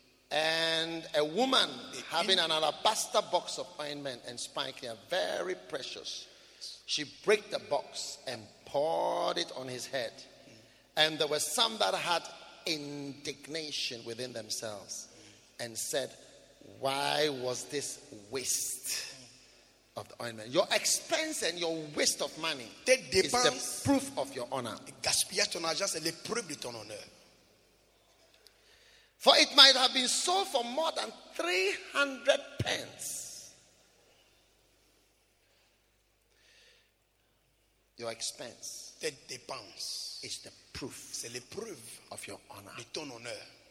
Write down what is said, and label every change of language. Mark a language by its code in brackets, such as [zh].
[en] and a woman having an alabaster box of ointment and spikenard, very precious, she broke the box and poured it on his head. And there were some that had indignation within themselves and said, why was this waste of the ointment? Your expense and your waste of money is the proof of your honor. [fr] Gaspillage ton argent, c'est l'épreuve de ton honneur. [en] For it might have been sold for more than 300 pence. Your expense, [fr] tes dépenses, [en] is the proof, [fr] c'est l'épreuve [en] of your honor, [fr] de ton honneur.